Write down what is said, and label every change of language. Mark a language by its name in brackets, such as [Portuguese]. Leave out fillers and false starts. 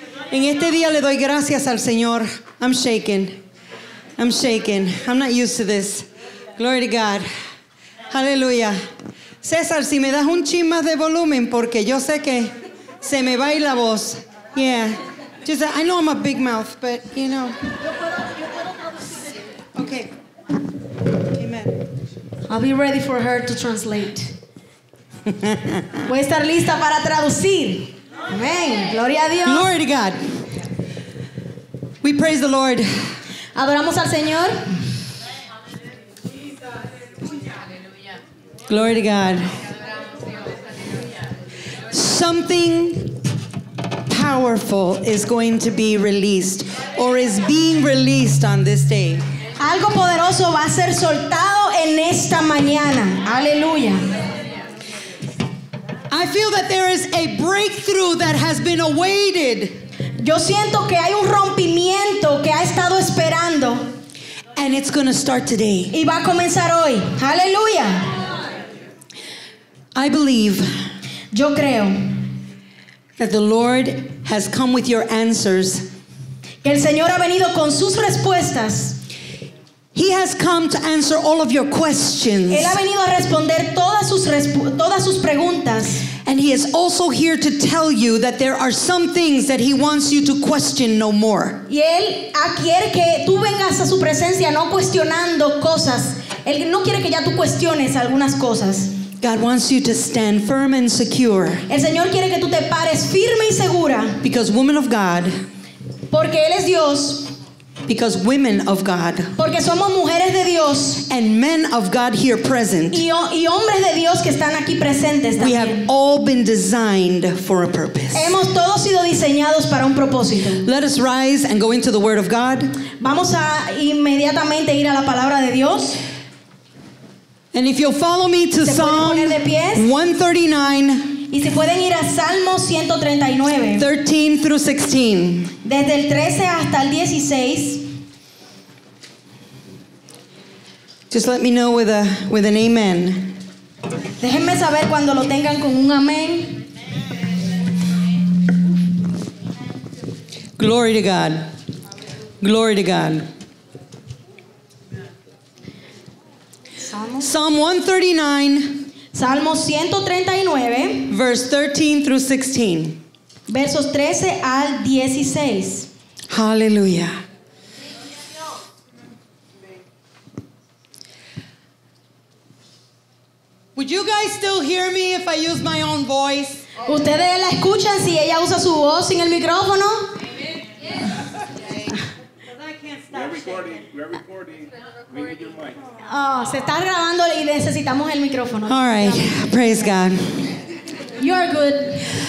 [Spanish] En este día le doy gracias al Señor. [English] I'm shaking. I'm shaking. I'm not used to this. Glory to God. Hallelujah. [Spanish] César, si me das un chin más de volumen, porque yo sé que se me va y la voz. [English] Yeah. Just, I know I'm a big mouth, but you know. Okay. Amen. I'll be ready for her to translate. [Spanish] Voy a estar lista para traducir. Amen. Gloria a Dios. [English] Glory to God. We praise the Lord. [Spanish] Adoramos al Señor. [English] Glory to God. Something powerful is going to be released or is being released on this day. [Spanish] Algo poderoso va a ser soltado en esta mañana. Aleluya. [English] I feel that there is a breakthrough that has been awaited. [Spanish] Yo siento que hay un rompimiento que ha estado esperando. [English] And it's going to start today. [Spanish] Y va a comenzar hoy. Aleluya. [English] I believe. [Spanish] Yo creo. [English] That the Lord has come with your answers. [Spanish] Que el Señor ha venido con sus respuestas. [English] He has come to answer all of your questions. [Spanish] Él ha venido a responder todas sus preguntas. [English] And he is also here to tell you that there are some things that he wants you to question no more. [Spanish] Y él quiere que tú vengas a su presencia no cuestionando cosas. Él no quiere que ya tú cuestiones algunas cosas. [English] God wants you to stand firm and secure. [Spanish] El Señor quiere que tú te pares firme y segura. [English] Because woman of God. [Spanish] Porque él es Dios. [English] Because women of God. [Spanish] Porque somos mujeres de Dios. [English] And men of God here present. [Spanish] Y hombres de Dios que están aquí presentes también. [English] We have all been designed for a purpose. [Spanish] Hemos todos sido diseñados para un propósito. [English] Let us rise and go into the Word of God. [Spanish] Vamos a inmediatamente ir a la palabra de Dios. [English] And if you'll follow me to Psalm 139, [Spanish] y si pueden ir a Salmo 139, [English] 13 through 16, [Spanish] desde el 13 hasta el 16. [English] Just let me know with an amen. [Spanish] Déjenme saber cuando lo tengan con un amén. [English] Glory to God. Glory to God. Psalm 139, [Spanish] Salmo 139, [English] verse 13 through 16. [Spanish] Versos 13 al 16. [English] Hallelujah. Would you guys still hear me if I use my own voice? [Spanish] ¿Ustedes la escuchan si ella usa su voz sin el micrófono? [English] We're recording. We need your mic. [Spanish] Oh, se está grabando y necesitamos el micrófono. [English] All right. Yeah. Praise God. You are good.